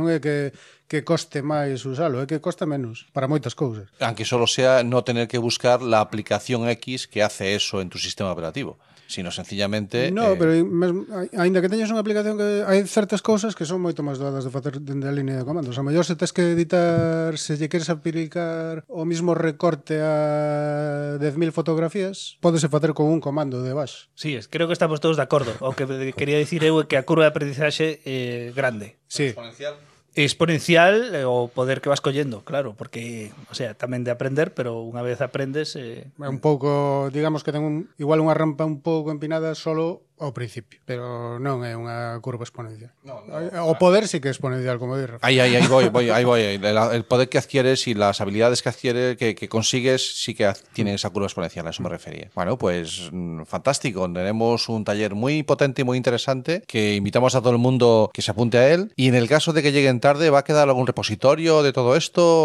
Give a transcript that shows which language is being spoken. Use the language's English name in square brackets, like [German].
[Galician] Non é que coste máis usalo, é que costa menos para moitas cousas. [Spanish] Aunque solo sea non tener que buscar la aplicación X que hace eso en tu sistema operativo. Sino sencillamente... [Galician] No, pero ainda que teñas unha aplicación, que hai certas cousas que son moito máis doadas de facer dende a línea de comandos. A mellor, se tes que editar, se lle queres aplicar o mismo recorte a 10.000 fotografías, pódese facer con un comando de baixo. Sí, creo que estamos todos de acordo. O que quería dicir eu é que a curva de aprendizaxe é grande. Sí. Exponencial o poder que vas collendo, claro, porque, o sea, tamén de aprender, pero unha vez aprendes... Un pouco, digamos que ten igual unha rampa un pouco empinada solo ao principio, pero non é unha curva exponencial. No, o poder sí que é exponencial, como dir. Aí voy. [Spanish] El poder que adquieres [Galician] e as habilidades que adquieres, [Spanish] que consigues, sí que tiene esa curva exponencial, a eso me refería. Bueno, pues, fantástico. Tenemos un taller muy potente y muy interesante que invitamos a todo el mundo que se apunte a él. Y en el caso de que lleguen tarde, ¿va a quedar algún repositorio de todo esto?